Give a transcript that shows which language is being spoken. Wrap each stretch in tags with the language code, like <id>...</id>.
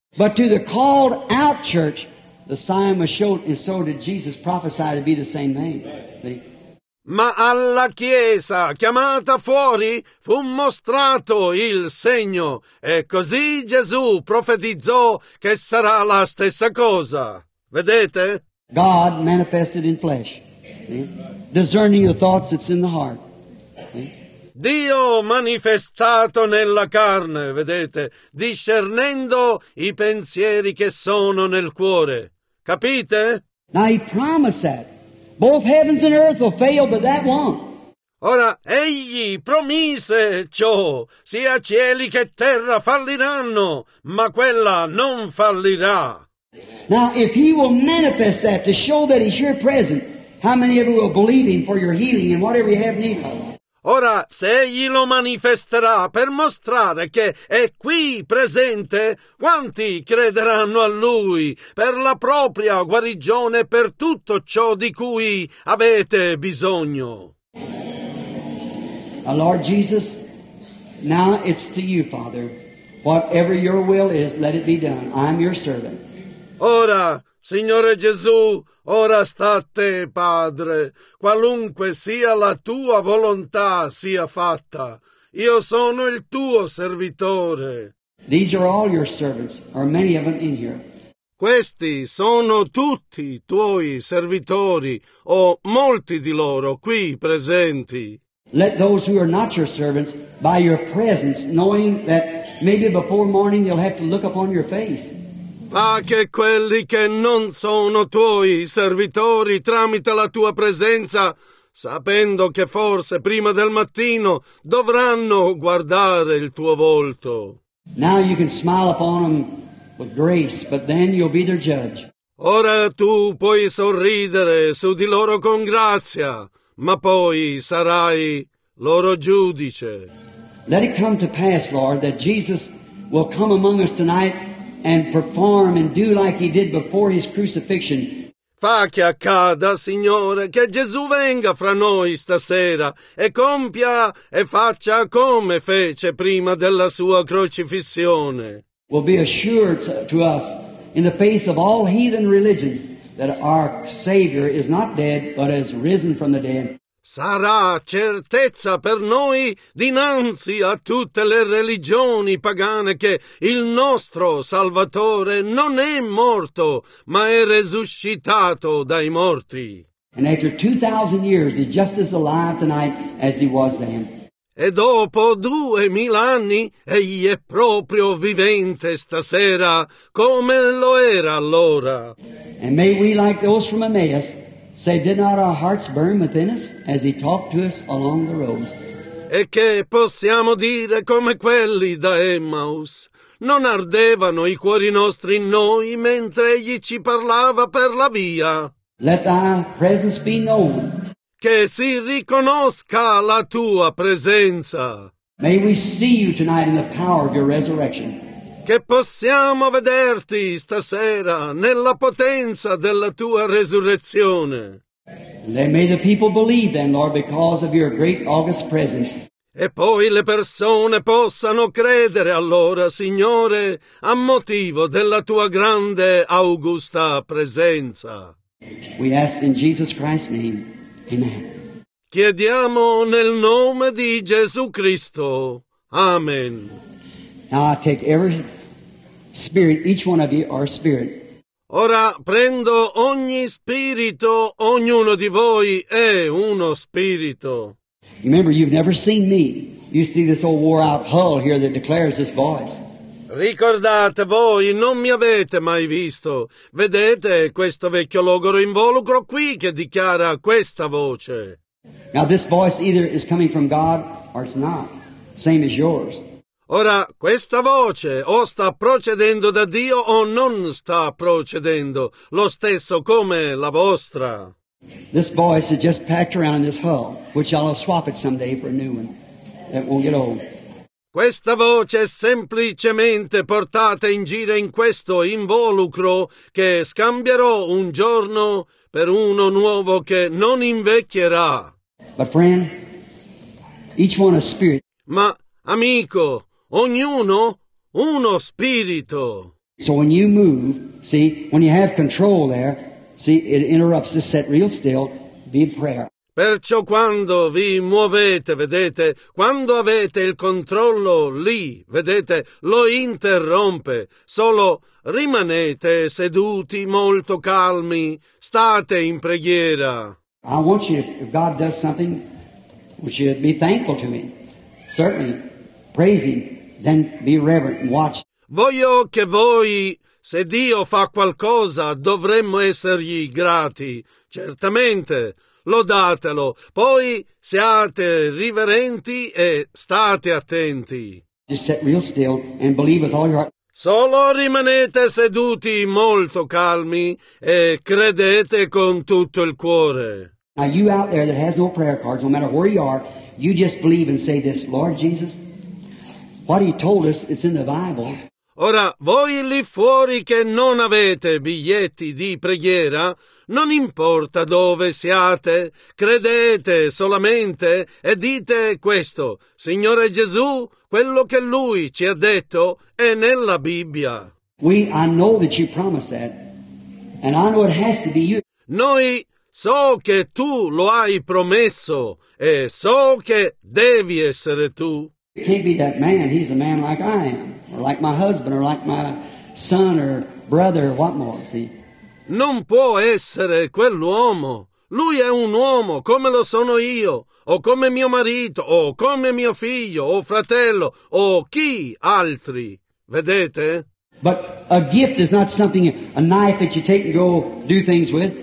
<en>But to the called out church, the sign was shown, and so did Jesus prophesy to be the same name. See?</en> <it>Ma alla chiesa chiamata fuori fu mostrato il segno, e così Gesù profetizzò che sarà la stessa cosa. Vedete?</it> <en>God manifested in flesh, discerning the thoughts that's in the heart.</en> <it>Dio manifestato nella carne, vedete, discernendo i pensieri che sono nel cuore. Capite?</it> <en>Now he promised that. Both heavens and earth will fail, but that won't.</en> <it>Ora, egli promise ciò. Sia cieli che terra falliranno, ma quella non fallirà.</it> <en>Now, if he will manifest that to show that he's here present, how many of you will believe him for your healing and whatever you have need of?</en> <it>Ora, se egli lo manifesterà per mostrare che è qui presente, quanti crederanno a lui per la propria guarigione, per tutto ciò di cui avete bisogno?</it> <en>Our Lord Jesus, now it's to you, Father. Whatever your will is, let it be done. I'm your servant.</en> <it>Ora, Signore Gesù, ora sta a te, Padre. Qualunque sia la tua volontà, sia fatta. Io sono il tuo servitore.</it> <en>These are all your servants, or many of them in here.</en> <it>Questi sono tutti i tuoi servitori, o molti di loro qui presenti.</it> <en>Let those who are not your servants, by your presence, knowing that maybe before morning you'll have to look upon your face.</en> <it>Fa che quelli che non sono tuoi servitori, tramite la tua presenza, sapendo che forse prima del mattino dovranno guardare il tuo volto.</it> <en>Now you can smile upon them with grace, but then you'll be their judge.</en> <it>Ora tu puoi sorridere su di loro con grazia, ma poi sarai loro giudice.</it> <en>Let it come to pass, Lord, that Jesus will come among us tonight and perform and do like he did before his crucifixion.</en> <it>Fa che accada, Signore, che Gesù venga fra noi stasera e compia e faccia come fece prima della sua crocifissione.</it> <en>Will be assured to us in the face of all heathen religions that our Savior is not dead but has risen from the dead.</en> <it>Sarà certezza per noi dinanzi a tutte le religioni pagane che il nostro Salvatore non è morto, ma è resuscitato dai morti.</it> <en>And after 2,000 years, he's just as alive tonight as he was then.</en> <it>E dopo 2,000 anni, egli è proprio vivente stasera, come lo era allora.</it> <en>And may we, like those from Emmaus, say, did not our hearts burn within us as he talked to us along the road?</en> <it>E che possiamo dire come quelli da Emmaus? Non ardevano i cuori nostri in noi mentre egli ci parlava per la via?</it> <en>Let thy presence be known.</en> <it>Che si riconosca la tua presenza.</it> <en>May we see you tonight in the power of your resurrection.</en> <it>Che possiamo vederti stasera nella potenza della tua resurrezione.</it> <en>May the people believe then, Lord, because of your great august presence.</en> <it>E poi le persone possano credere allora, Signore, a motivo della tua grande augusta presenza.</it> <en>We ask in Jesus Christ's name. Amen.</en> <it>Chiediamo nel nome di Gesù Cristo. Amen.</it> <en>Now I take every spirit, each one of you are spirit.</en> <it>Ora prendo ogni spirito, ognuno di voi è uno spirito.</it> <en>Remember, you've never seen me. You see this old wore out hull here that declares this voice.</en> <it>Ricordate, voi non mi avete mai visto. Vedete questo vecchio logoro involucro qui che dichiara questa voce.</it> <en>Now this voice either is coming from God or it's not. Same as yours.</en> <it>Ora, questa voce o sta procedendo da Dio o non sta procedendo, lo stesso come la vostra.</it> <en>This voice is just packed around in this hull, which I'll swap it someday for a new one that won't get old.</en> <it>Questa voce è semplicemente portata in giro in questo involucro che scambierò un giorno per uno nuovo che non invecchierà.</it> <en>But friend, each one a spirit.</en> <it>Ma, amico, ognuno uno spirito.</it> <en>So when you move, see, when you have control there, see, it interrupts this set real still, be in prayer.</en> <it>Perciò quando vi muovete, vedete, quando avete il controllo lì, vedete, lo interrompe. Solo rimanete seduti, molto calmi, state in preghiera.</it> <en>I want you, if God does something, would you be thankful to him? Certainly, praise him. Then be reverent and watch.</en> <it>Voglio che voi, se Dio fa qualcosa, dovremmo essergli grati. Certamente, lodatelo. Poi siate riverenti e state attenti.</it> <en>Just sit real still and believe with all your heart.</en> <it>Solo rimanete seduti molto calmi e credete con tutto il cuore.</it> <en>Now you out there that has no prayer cards, no matter where you are, You just believe and say this, Lord Jesus, what he told us, it's in the Bible.</en> <it>Ora, voi lì fuori che non avete biglietti di preghiera, non importa dove siate, credete solamente e dite questo, Signore Gesù, quello che Lui ci ha detto è nella Bibbia.</it> <en>I know that you promised that, and I know it has to be you.</en> <it>Noi so che tu lo hai promesso, e so che devi essere tu.</it> <en>It can't be that man, he's a man like I am, or like my husband, or like my son, or brother, or what more, see?</en> <it>Non può essere quell'uomo. Lui è un uomo, come lo sono io, o come mio marito, o come mio figlio, o fratello, o chi altri. Vedete?</it> <en>But a gift is not something, a knife that you take and go do things with.</en>